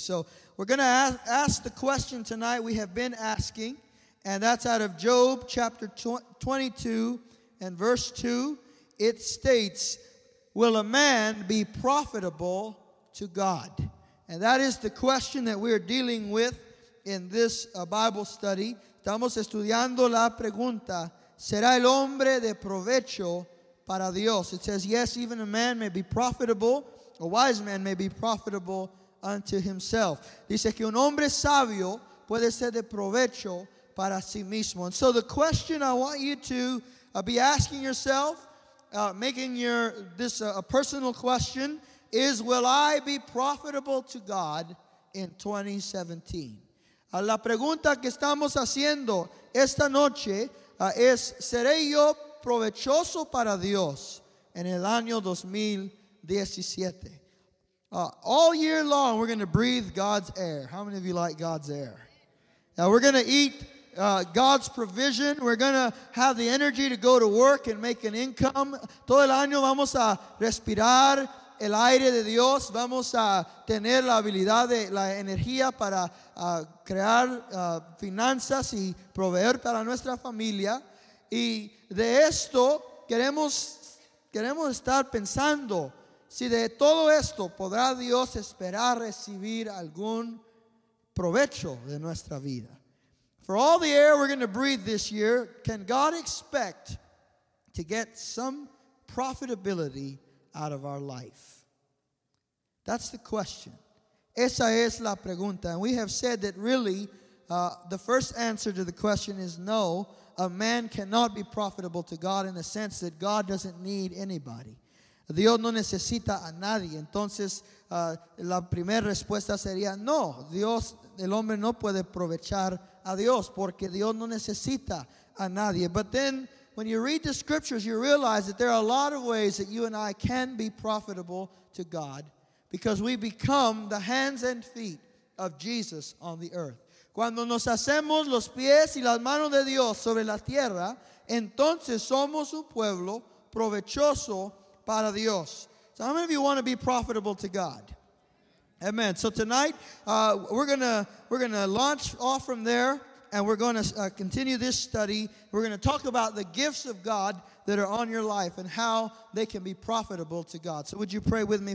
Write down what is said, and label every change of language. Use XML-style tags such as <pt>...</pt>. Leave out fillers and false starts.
<en>So we're going to ask the question tonight we have been asking, and that's out of Job chapter 22 and verse 2. It states, will a man be profitable to God? And that is the question that we're dealing with in this Bible study.</en> <es>Estamos estudiando la pregunta, ¿será el hombre de provecho para Dios?</es> <en>It says, yes, even a man may be profitable. A wise man may be profitable unto himself.</en> <es>Dice que un hombre sabio puede ser de provecho para sí mismo.</es> <en>And so the question I want you to be asking yourself, making your this a personal question, is will I be profitable to God in 2017?</en> <es>La pregunta que estamos haciendo esta noche es, ¿seré yo provechoso para Dios en el año 2017?</es> <en>All year long, we're going to breathe God's air. How many of you like God's air? Now, we're going to eat God's provision. We're going to have the energy to go to work and make an income.</en> <es>Todo el año vamos a respirar el aire de Dios. Vamos a tener la habilidad de la energía para crear finanzas y proveer para nuestra familia. Y de esto queremos estar pensando. Si de todo esto, ¿podrá Dios esperar recibir algún provecho de nuestra vida?</es> <en>For all the air we're going to breathe this year, can God expect to get some profitability out of our life? That's the question.</en> <es>Esa es la pregunta.</es> <en>And we have said that really, the first answer to the question is no. A man cannot be profitable to God in the sense that God doesn't need anybody.</en> <es>Dios no necesita a nadie. Entonces, la primera respuesta sería, no, Dios, el hombre no puede aprovechar a Dios porque Dios no necesita a nadie.</es> <en>But then when you read the scriptures, you realize that there are a lot of ways that you and I can be profitable to God because we become the hands and feet of Jesus on the earth.</en> <es>Cuando nos hacemos los pies y las manos de Dios sobre la tierra, entonces somos un pueblo provechoso para Dios.</es> <en>So how many of you want to be profitable to God? Amen. So tonight, we're gonna launch off from there, and we're going to continue this study. We're going to talk about the gifts of God that are on your life and how they can be profitable to God. So would you pray with me?</en>